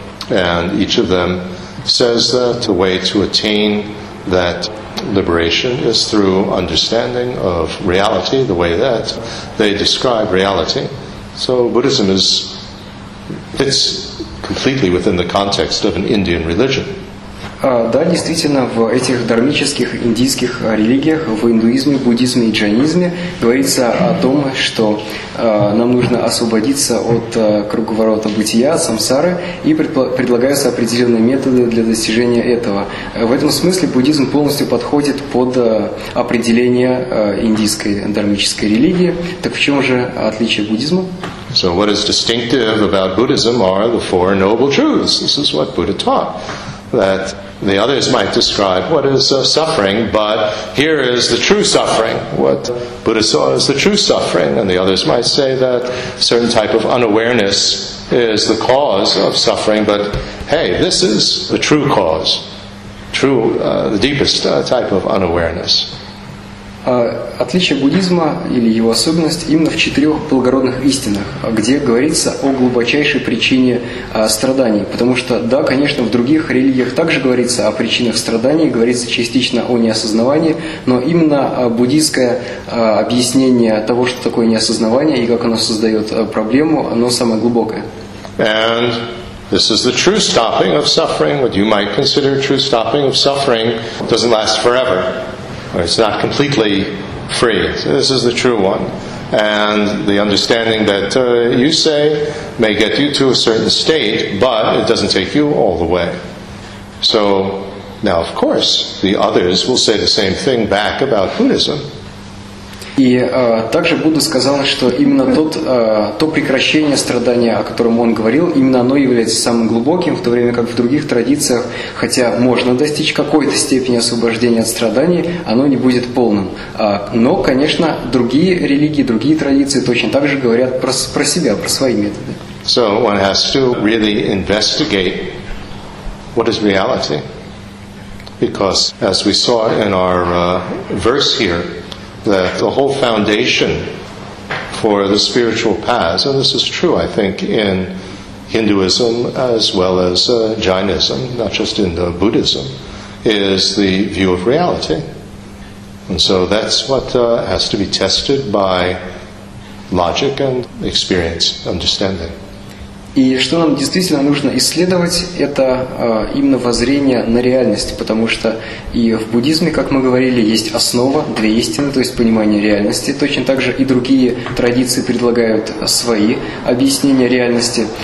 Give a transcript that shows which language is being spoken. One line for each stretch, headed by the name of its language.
English: And each of them says that the way to attain that liberation is through understanding of reality, the way that they describe reality. So Buddhism is It's completely within the context of an Indian religion.
Russian: Да, действительно, в этих дармических индийских религиях, в индуизме, буддизме и джайнизме, говорится о том, что нам нужно освободиться от круговорота бытия, самсары, и предлагаются определенные методы для достижения этого. В этом смысле буддизм полностью подходит под определение индийской дармической религии. Так в чем же отличие буддизма?
English: So what is distinctive about Buddhism are the four noble truths. This is what Buddha taught. That the others might describe what is suffering, but here is the true suffering. What Buddha saw is the true suffering, and the others might say that a certain type of unawareness is the cause of suffering, but hey, this is the true cause, the deepest type of unawareness.
Russian: Отличие буддизма или его особенность именно в четырех благородных истинах, где говорится о глубочайшей причине страданий. Потому что, да, конечно, в других религиях также говорится о причинах страданий, говорится частично о неосознавании, но именно буддийское объяснение того, что такое неосознавание и как оно создает проблему, оно самое глубокое.
English: And this is the true stopping of suffering. What you might consider true stopping of suffering doesn't last forever. It's not completely free. So this is the true one. And the understanding that you say may get you to a certain state, but it doesn't take you all the way. So now, of course, the others will say the same thing back about Buddhism.
Russian: И также Будда сказал, что именно то прекращение страдания, о котором он говорил, именно оно является самым глубоким, в то время как в других традициях, хотя можно достичь какой-то степени освобождения от страданий, оно не будет полным. Но, конечно, другие религии, другие традиции точно так же говорят про себя, про свои методы.
English: So one has to really investigate what is reality. Because, as we saw in our verse here, that the whole foundation for the spiritual path, and this is true, I think, in Hinduism as well as Jainism, not just in the Buddhism, is the view of reality. And so that's what has to be tested by logic and experience, understanding.
Russian: И что нам действительно нужно исследовать, это именно воззрение на реальность, потому что и в буддизме, как мы говорили, есть основа, две истины, то есть понимание реальности. Точно так же и другие традиции предлагают свои объяснения реальности.